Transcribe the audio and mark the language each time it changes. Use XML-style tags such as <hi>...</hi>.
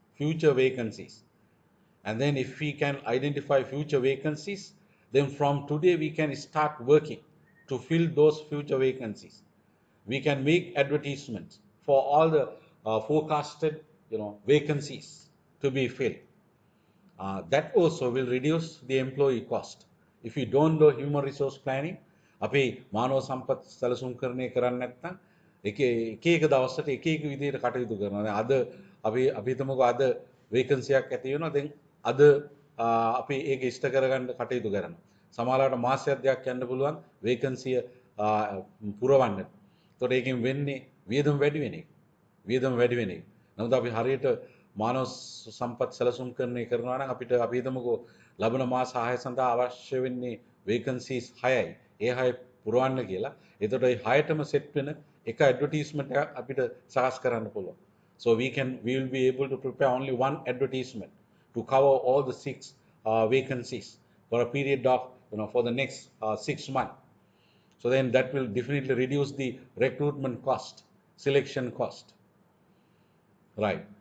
<en>And then if we can identify future vacancies, then from today we can start working to fill those future vacancies. We can make advertisements for all the forecasted, you know, vacancies to be filled. That also will reduce the employee cost. If you don't do human resource planning,</en> <si>අපි මානව සම්පත් සැලසුම් කරන්නේ කරන්නේ නැත්නම් එක එක දවසට එක එක විදිහට කටයුතු කරනවා. දැන් අද අපි හිතමුකෝ අද වේකන්සියක් ඇති වෙනවා. දැන් අද අපි ඒක ඉෂ්ට කරගන්න කටයුතු කරනවා. සමහරවිට මාසයක් දෙකක් යන්න පුළුවන් වේකන්සිය පුරවන්න. ඒතකොට ඒකෙන් වෙන්නේ වියදම් වැඩි වෙන එක. වියදම් වැඩි වෙන එක. නමුත් අපි හරියට මානව සම්පත් සැලසුම් කරන්නේ කරනවා නම් අපිට අපි හිතමුකෝ ලැබෙන මාස 6 සඳහා අවශ්‍ය වෙන්නේ වේකන්සීස් 6යි. ඒ හය පුරවන්න කියලා එතකොට ඒ හයටම සෙට් වෙන එක ඇඩ්වර්ටයිස්මන්ට් එක අපිට සකස් කරන්න පුළුවන්.</si> <en>So we will be able to prepare only one advertisement to cover all the six vacancies for a period of, you know, for the next 6 months. So then that will definitely reduce the recruitment cost, selection cost. Right.</en>